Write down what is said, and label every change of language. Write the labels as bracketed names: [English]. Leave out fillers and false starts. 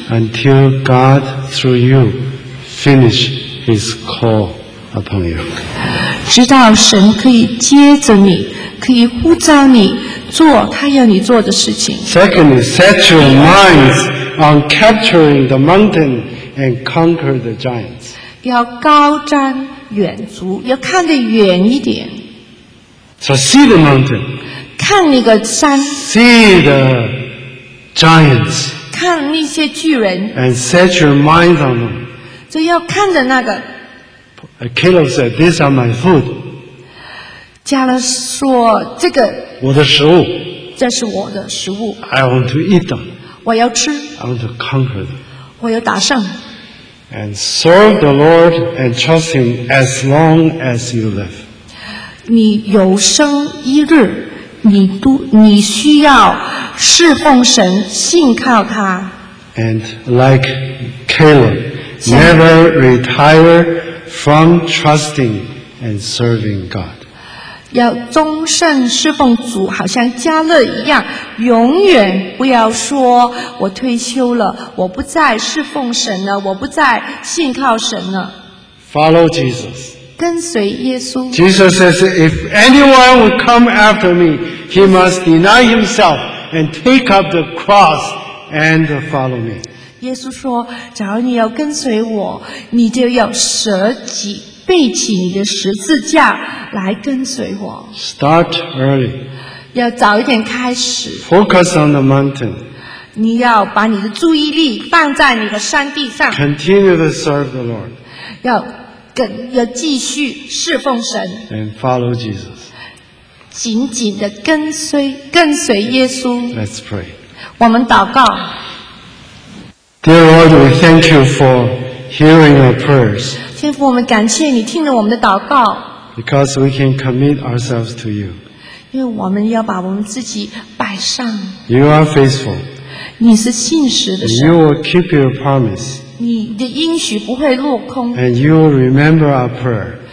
[English] until God through you finish his call upon you [Chinese] 直到神可以接着你可以呼召你做他要你做的事情 [English] secondly set your minds on capturing the mountain and conquer the giants [Chinese] 要高瞻远瞩要看得远一点 [English] so see the mountain [Chinese] 看那个山 [English] See the giants [Chinese] 看那些巨人 [English] And set your mind on them [Chinese] 就要看着那个 [English] Caleb said, these are my food [Chinese] 加勒说这个我的食物这是我的食物 [English] I want to eat them [Chinese] 我要吃 [English] I want to conquer them [Chinese] 我要打胜 [English] And serve the Lord and trust him as long as you live [Chinese] 你有生一日你需要侍奉神，信靠他。 [English] And like Caleb, never retire from trusting and serving God. [Chinese] 要终身侍奉主，好像加勒一样，永远不要说我退休了，我不再侍奉神了，我不再信靠神了。 [English] Follow Jesus. [Chinese] 跟随耶稣。 [English] Jesus says, if anyone would come after me. He must deny himself and take up the cross and follow me. [Chinese] 耶稣说，假如你要跟随我，你就要舍己，背起你的十字架来跟随我。 [English] Start early. [Chinese] 要早一点开始。 [English] Focus on the mountain. [Chinese] 你要把你的注意力放在你的山地上。 [English] Continue to serve the Lord. [Chinese] 要继续侍奉神。 [English] And follow Jesus. [Chinese] 紧紧地跟随耶稣 [English] Let's pray [Chinese] 我们祷告。 [English] Dear Lord, we thank you for hearing our prayers. [Chinese] 天父，我们感谢你听了我们的祷告。 [English] Because we can commit ourselves to you. [Chinese] 因为我们要把我们自己摆上。 [English] You are faithful. [Chinese] 你是信实的神。 [English] You will keep your promise. [Chinese] 你的应许不会落空。 [English] And you will remember our prayer.